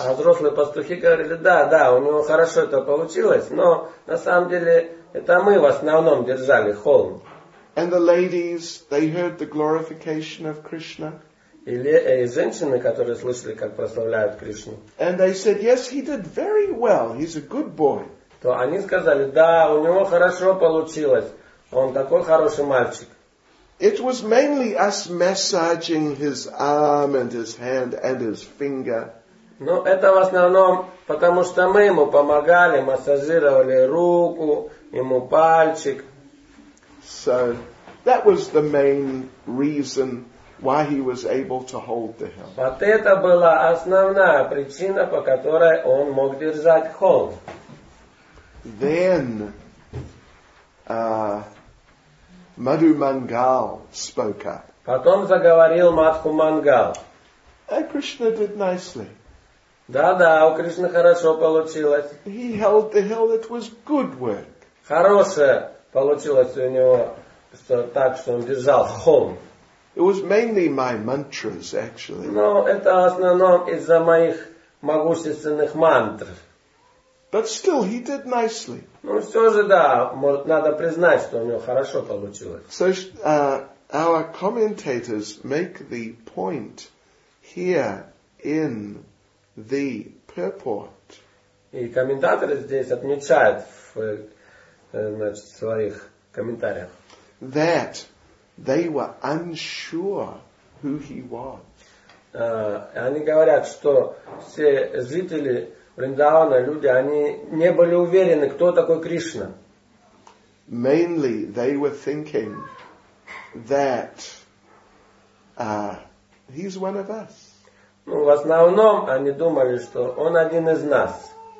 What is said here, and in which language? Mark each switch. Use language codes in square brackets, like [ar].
[ru] А взрослые пастухи говорили: "Да, да, у него хорошо это получилось, но на самом деле это мы в основном держали холм". [en] And the ladies, they heard the glorification of Krishna. [ru] Или женщины, которые слышали, как прославляют Кришну. [en] And they said, "Yes, he did very well. He's a good boy". [ru] То они сказали: "Да, у него хорошо получилось. Он такой хороший мальчик". [en] It was mainly us massaging his arm and his hand and his finger. [ru] Ну, это в основном, потому что мы ему помогали, массажировали руку, ему пальчик. [en] So, that was the main reason why he was able to hold the helm. [ru] Вот это была основная причина, по которой он мог держать холм. [en] Then, Madhu Mangal spoke up. [ru] Потом заговорил Мадху Мангал. [en] And Krishna did nicely. [ru] Да-да, у Кришны хорошо получилось. [en] He held the hill, it was good work. [ru] Хорошее получилось у него, что так, что он держал холм. [en] It was mainly my mantras, actually. [ru] Но это в основном из-за моих могущественных мантр. [en] But still, he did nicely. [ru] Ну все же да, надо признать, что у него хорошо получилось. [en] So our commentators make the point here in the purport. [ru] И комментаторы здесь отмечают в значит, своих комментариях. [en] That they were unsure who he was. [ru] Они говорят, что все жители Вриндавана, люди, они не были уверены, кто такой Кришна. [en] Mainly they were thinking that he's one of us. [ru] Ну, в основном они думали, что он один из нас.